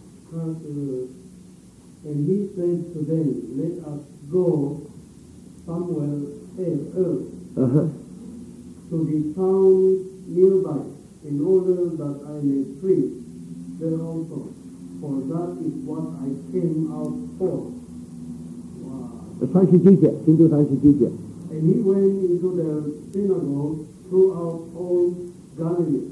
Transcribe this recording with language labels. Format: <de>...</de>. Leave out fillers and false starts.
<zh>他是</zh> <en>，and he said to them, let us go somewhere else, to the town nearby, in order that I may preach there also, for that is what I came out for.</en> <zh>三十九节，听读三十九节。</zh> <en>And he went into the synagogue throughout all Galilee.</en>